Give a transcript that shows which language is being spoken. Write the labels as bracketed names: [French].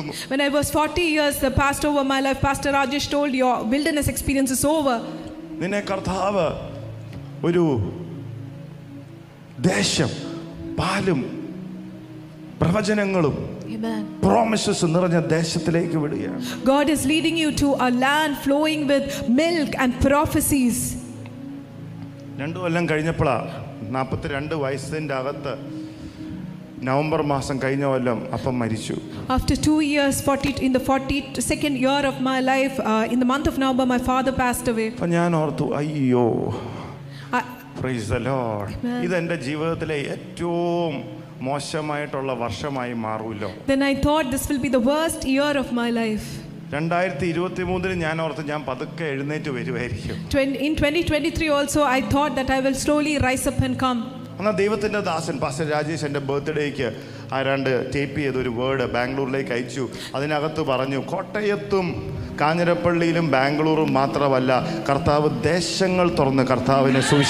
[English] When I was 40 years, the past over my life, Pastor Rajesh told, your wilderness experience is over. [Malayalam] നിന്നെ കർത്താവ് ഒരു ദേശം പാലും പ്രവചനങ്ങളും promises നിറഞ്ഞ ദേശത്തിലേക്ക് വിടുകയാണ്. [English] God is leading you to a land flowing with milk and prophecies. [Malayalam] രണ്ടു കൊല്ലം കഴിഞ്ഞപ്പോൾ 42 വയസ്സിന്റെ അകത്ത് നവംബർ മാസം കഴിഞ്ഞ കൊല്ലം അപ്പൻ മരിച്ചു. [English] After 2 years 40 in the 42nd year of my life in the month of November my father passed away. [Malayalam] അപ്പോൾ ഞാൻ ഓർത്തു അയ്യോ. [English] Praise the Lord. [Malayalam] ഇത് എൻ്റെ ജീവിതത്തിലെ ഏറ്റവും മോശമായിട്ടുള്ള വർഷമായി മാറുമല്ലോ. [English] Then I thought this will be the worst year of my life. [Malayalam] 2023 ഞാൻ ഓർത്ത് ഞാൻ പതുക്കെ എഴുന്നേറ്റ് വരുമായിരിക്കും. [English] In 2023 also I thought that I will slowly rise up and come. [Malayalam] അന്ന് ദൈവത്തിൻ്റെ ദാസൻ പാസ്റ്റർ രാജേഷിൻ്റെ ബർത്ത്ഡേക്ക് ആരാണ്ട് ടേപ്പ് ചെയ്ത ഒരു വേർഡ് ബാംഗ്ലൂരിലേക്ക് അയച്ചു. അതിനകത്ത് പറഞ്ഞു, കോട്ടയത്തും കാഞ്ഞിരപ്പള്ളിയിലും ബാംഗ്ലൂരും മാത്രമല്ല കർത്താവ് ദേശങ്ങൾ തുറന്ന് കർത്താവിനെ